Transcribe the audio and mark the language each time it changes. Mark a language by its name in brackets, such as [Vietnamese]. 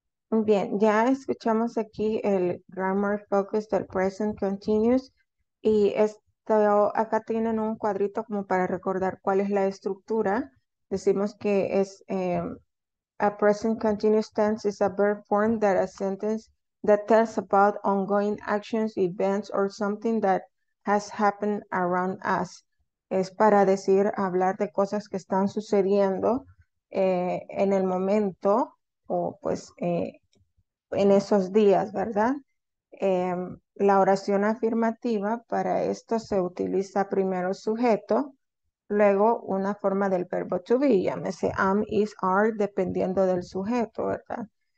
[Spanish] Bien, ya escuchamos aquí el grammar focus del present continuous y esto acá tienen un cuadrito como para recordar cuál es la estructura. Decimos que es [English] A present continuous tense is a verb form that a sentence that tells about ongoing actions, events, or something that has happened around us. [Spanish] Es para decir, hablar de cosas que están sucediendo en el momento o pues en esos días, ¿verdad? La oración afirmativa para esto se utiliza primero sujeto, luego una forma del verbo to be, llámese am, is, are, dependiendo del sujeto, ¿verdad?